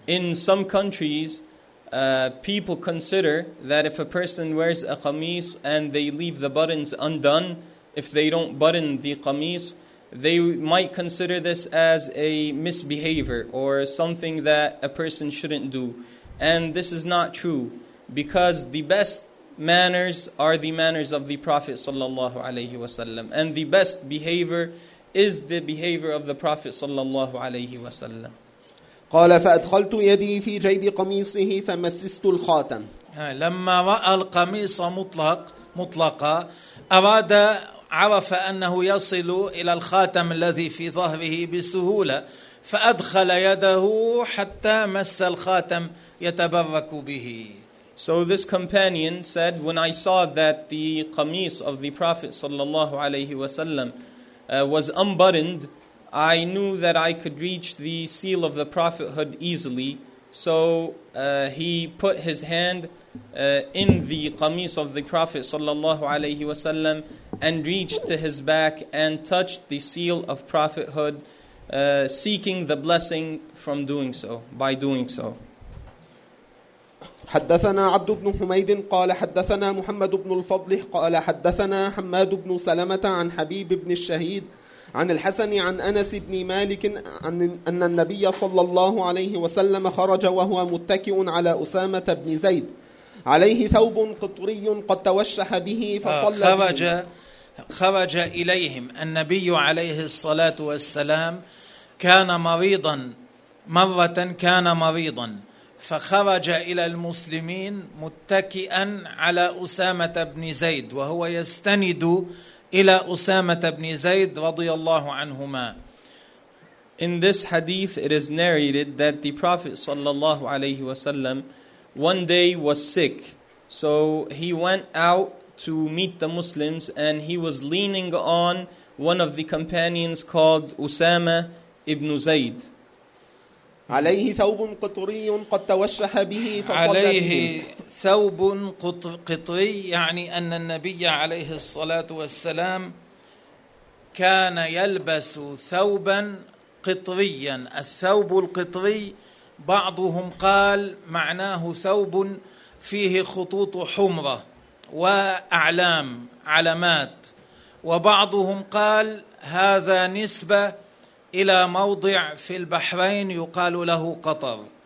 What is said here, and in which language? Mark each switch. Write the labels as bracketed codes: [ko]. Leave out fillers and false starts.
[en] In some countries, people consider that if a person wears a qamis and they leave the buttons undone, if they don't button the qamis, they might consider this as a misbehavior or something that a person shouldn't do. And this is not true, because the best manners are the manners of the Prophet sallallahu alayhi wasallam, and the best behavior is the behavior of the Prophet sallallahu alayhi wasallam. [ar] قال فأدخلت يدي في جيب قميصه فمسست الخاتم. لما رأى القميص مطلق مطلقا أراد، عرف أنه يصل إلى الخاتم الذي في ظهره بسهولة، فأدخل يده حتى مس الخاتم يتبرك به. [en] So this companion said, when I saw that the qamis of the Prophet sallallahu alayhi wasallam was unbuttoned, I knew that I could reach the seal of the prophethood easily. So he put his hand in the qamis of the Prophet sallallahu alayhi wasallam and reached to his back and touched the seal of prophethood, seeking the blessing from doing so, by doing so. [ar] حدثنا عبد بن حميد قال حدثنا محمد بن الفضل قال حدثنا حماد بن سلمة عن حبيب بن الشهيد عن الحسن عن أنس بن مالك أن النبي صلى الله عليه وسلم خرج وهو متكئ على أسامة بن زيد عليه ثوب قطري قد توشح به فصلى. خرج إليهم النبي عليه الصلاة والسلام، كان مريضا، مرة كان مريضا، فخرج إلى المسلمين متكئا على أسامة بن زيد، وهو يستند إلى أسامة بن زيد رضي الله عنهما. [en] In this hadith, it is narrated that the Prophet [ar] صلى الله عليه وسلم [en] one day was sick. So he went out to meet the Muslims and he was leaning on one of the companions called Usama ibn Zayd. [ar] عليه ثوب قطري قد توشح به فصلى عليه ثوب قطري، يعني أن النبي عليه الصلاة والسلام كان يلبس ثوبا قطريا. الثوب القطري بعضهم قال معناه ثوب فيه خطوط حمرة وأعلام علامات، وبعضهم قال هذا نسبة إلى موضع في البحرين يقال له قطر.